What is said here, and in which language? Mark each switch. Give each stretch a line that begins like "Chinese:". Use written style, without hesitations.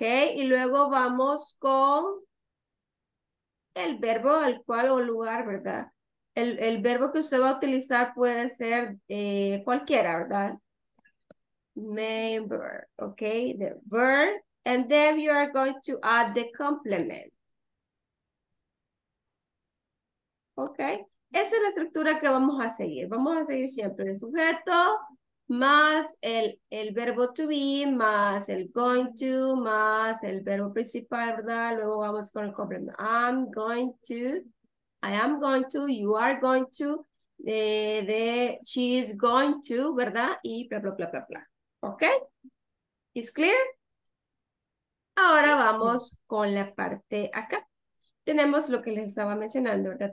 Spanish: Y luego vamos con el verbo al cual o lugar, ¿verdad? El verbo que usted va a utilizar puede ser cualquiera, ¿verdad?
English: Member. ¿Ok? The verb. And then you are going to add the complement. ¿Ok?
Spanish: Esa es la estructura que vamos a seguir. Vamos a seguir siempre el sujeto más el verbo to be, más el going to, más el verbo principal, ¿verdad? Luego vamos con el complemento.
English: I'm going to, I am going to, you are going to, she is going to,
Spanish: ¿verdad? Y bla, bla, bla, bla, bla. ¿Ok?
English: ¿Is clear?
Spanish: Ahora vamos con la parte acá. Tenemos lo que les estaba mencionando, ¿verdad?